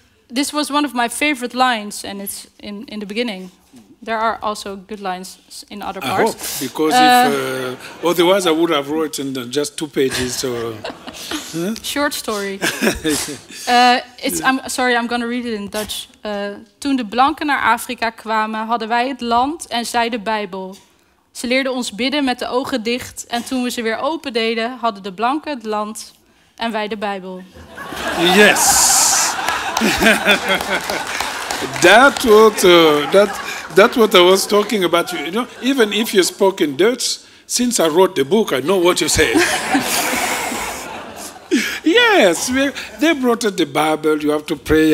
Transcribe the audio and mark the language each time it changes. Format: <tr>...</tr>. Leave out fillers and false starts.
<en>This was one of my favorite lines, and it's in the beginning. There are also good lines in other parts. I hope, because otherwise I would have written just 2 pages. So, Short story. I'm sorry, I'm going to read it in Dutch.</en> <nl>Toen de blanken naar Afrika kwamen, hadden wij het land en zij de Bijbel. Ze leerden ons bidden met de ogen dicht. En toen we ze weer open deden, hadden de blanken het land en wij de Bijbel.</nl> <en>Yes. That would, that's what I was talking about. You know, even if you spoke in Dutch, since I wrote the book, I know what you said. Yes, they brought us the Bible. You have to pray.</en>